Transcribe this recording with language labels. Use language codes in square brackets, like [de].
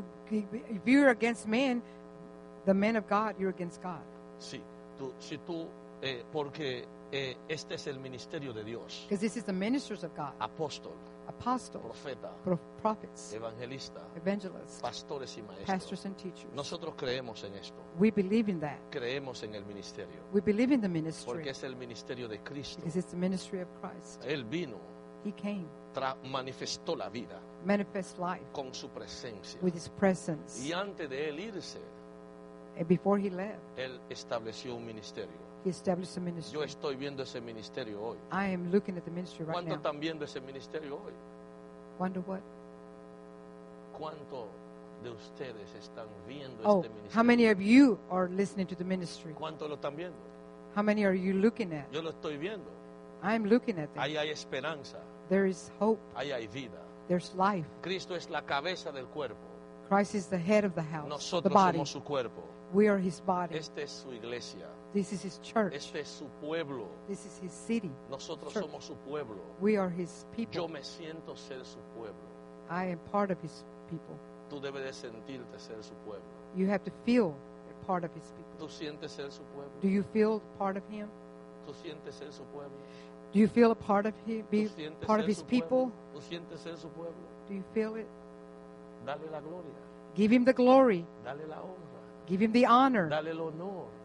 [en] If you're against man, the man of God, you're against God. [es] Sí, tú, si tú, porque este es el ministerio de Dios. [en] Because this is the ministers of God. [es] Apóstol. [en] Apostle. [es] Profeta. [en] Prophets. [es] Evangelista. [en] Evangelist. [es] Pastores y maestros. [en] Pastors and teachers. [es] Nosotros creemos en esto. [en] We believe in that. [es] Creemos en el ministerio. [en] We believe in the ministry. [es] Porque es el ministerio de Cristo. [en] Because it's the ministry of Christ. [es] Él vino. [en] He came. [es] Manifestó la vida. [en] Manifest life. [es] Con su presencia. [en] With his presence. [es] Y antes de él irse. [en] And before he left. [es] Él estableció un ministerio. [en] He established a ministry. [es] Yo estoy viendo ese ministerio hoy. [en] I am looking at the ministry right [es] ¿Cuánto [en] now. [es] ¿Cuánto están viendo ese ministerio hoy? [en] Wonder what? [es] ¿Cuánto de ustedes están viendo oh, este ministerio? [en] How many of you are listening to the ministry? [es] ¿Cuánto lo están viendo? [en] How many are you looking at? [es] Yo lo estoy viendo. [en] I am looking at them. [es] Ahí hay esperanza. [en] There is hope. [es] Ahí hay vida. [en] There's life. [es] Cristo es la cabeza del cuerpo. [en] Christ is the head of the house. [es] Nosotros [en] the body. [es] Somos su cuerpo. [en] We are his body. [es] Esta es su iglesia. [en] This is his church. [es] Este es su pueblo. [en] This is his city. [es] Nosotros church. Somos su pueblo. [en] We are his people. [es] Yo me siento ser su pueblo. [en] I am part of his people. [es] Tú debes de sentirte ser su pueblo. [en] You have to feel part of his people. [es] Tú sientes ser su pueblo. [en] Do you feel part of him? [es] Tú sientes ser su pueblo. [en] Do you feel a part of him? Be part of his people? [es] Tú sientes ser su pueblo. [en] Do you feel it? [es] Dale la gloria. [en] Give him the glory. [es] Dale la honra. [en] Give him the honor. [es] Dale el honor.